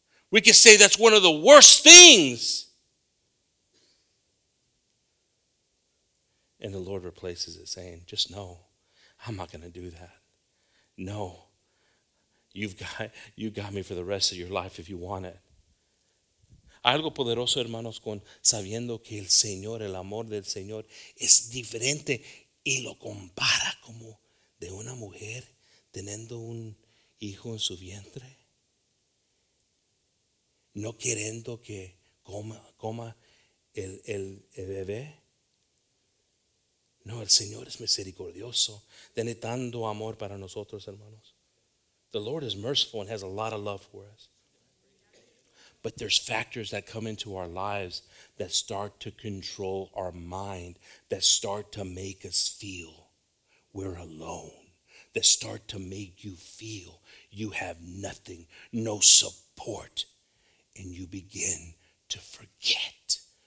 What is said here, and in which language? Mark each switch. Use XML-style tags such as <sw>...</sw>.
<en>We could say that's one of the worst things. And the Lord replaces it, saying, just know, I'm not going to do that. No, you've got me for the rest of your life if you want it.</en> <es>Algo poderoso, hermanos, con sabiendo que el Señor, el amor del Señor, es diferente y lo compara como de una mujer teniendo un hijo en su vientre, no queriendo que coma el bebé. No, el Señor es misericordioso, tiene tanto amor para nosotros, hermanos.</es> <en>The Lord is merciful and has a lot of love for us. But there's factors that come into our lives that start to control our mind, that start to make us feel we're alone, that start to make you feel you have nothing, no support, and you begin to forget</en>